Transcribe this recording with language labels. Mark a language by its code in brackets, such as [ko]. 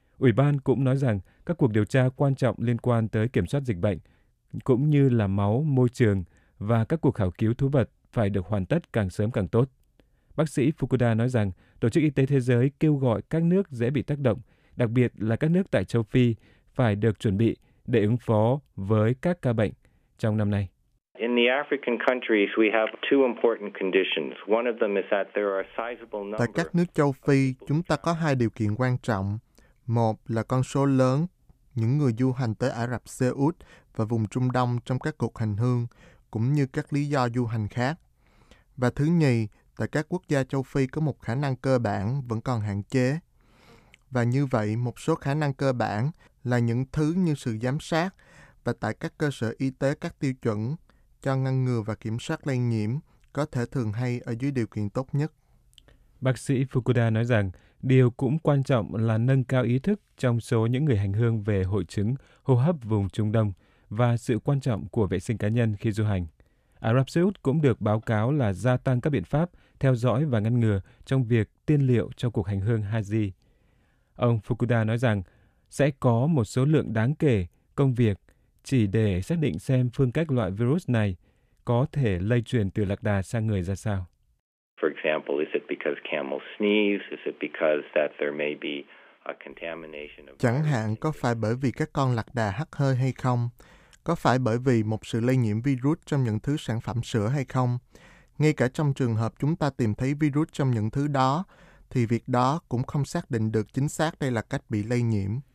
[vi] Ủy ban cũng nói rằng các cuộc điều tra quan trọng liên quan tới kiểm soát dịch bệnh, cũng như là máu, môi trường và các cuộc khảo cứu thú vật phải được hoàn tất càng sớm càng tốt. Bác sĩ Fukuda nói rằng Tổ chức Y tế Thế giới kêu gọi các nước dễ bị tác động, đặc biệt là các nước tại châu Phi, phải được chuẩn bị để ứng phó với các ca bệnh trong năm nay. [en] In the African countries, we have two important conditions. One of them is that there are sizable numbers. [vi] Tại các nước châu Phi, chúng ta có hai điều kiện quan trọng. Một là con số lớn những người du hành tới Ả Rập Xê Út và vùng Trung Đông trong các cuộc hành hương, cũng như các lý do du hành khác. Và thứ nhì, tại các quốc gia châu Phi có một khả năng cơ bản vẫn còn hạn chế. Và như vậy, một số khả năng cơ bản là những thứ như sự giám sát và tại các cơ sở y tế các tiêu chuẩn cho ngăn ngừa và kiểm soát lây nhiễm có thể thường hay ở dưới điều kiện tốt nhất. Bác sĩ Fukuda nói rằng, điều cũng quan trọng là nâng cao ý thức trong số những người hành hương về hội chứng hô hấp vùng Trung Đông và sự quan trọng của vệ sinh cá nhân khi du hành. Ả Rập Xê Út cũng được báo cáo là gia tăng các biện pháp theo dõi và ngăn ngừa trong việc tiên liệu cho cuộc hành hương Hajj. Ông Fukuda nói rằng sẽ có một số lượng đáng kể công việc chỉ để xác định xem phương cách loại virus này có thể lây truyền từ lạc đà sang người ra sao. [en] For example, is it because camels sneeze? Is it because that there may be a contamination of [vi] chẳng hạn có phải bởi vì các con lạc đà hắt hơi hay không? Có phải bởi vì một sự lây nhiễm virus trong những thứ sản phẩm sữa hay không? Ngay cả trong trường hợp chúng ta tìm thấy virus trong những thứ đó, thì việc đó cũng không xác định được chính xác đây là cách bị lây nhiễm.